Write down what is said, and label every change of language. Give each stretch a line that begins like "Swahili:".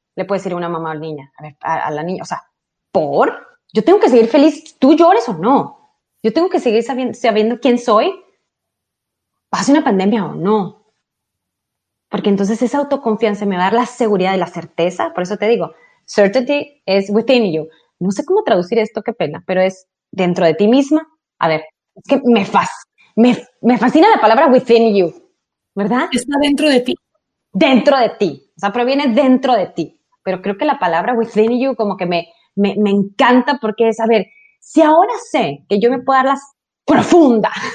Spanish: Le puede decir una mamá o niña, a la niña, o sea, ¿por? Yo tengo que seguir feliz, tú llores o no. Yo tengo que seguir sabiendo quién soy, pase una pandemia o no. Porque entonces esa autoconfianza me va a dar la seguridad y la certeza. Por eso te digo,
English: certainty is within you.
Spanish: No sé cómo traducir esto, qué pena, pero es dentro de ti misma. A ver, es que me fascina la palabra within you, ¿verdad? Está dentro de ti. Dentro de ti. O sea, proviene dentro de ti. Pero creo que la palabra within you como que me encanta porque es, a ver, si ahora sé que yo me puedo dar la profunda.